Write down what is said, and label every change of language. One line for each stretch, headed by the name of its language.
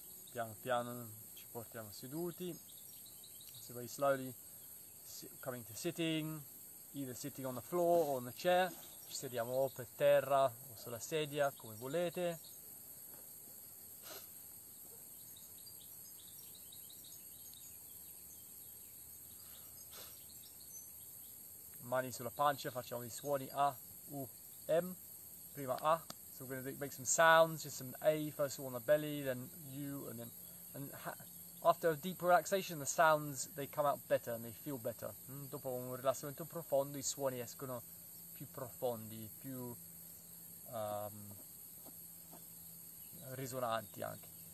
Italian: piano piano ci portiamo seduti.
English: So very slowly coming to sitting, either sitting on the floor or on the chair,
Italian: ci sediamo o per terra o sulla sedia, come volete. Mani sulla pancia, facciamo i suoni A, U, M, prima A.
English: So we're going to make some sounds, just some A, first of all on the belly, then U, and then... And after a deep relaxation, the sounds, they come out better and they feel better.
Italian: Dopo un rilassamento profondo, i suoni escono più profondi, più risonanti anche.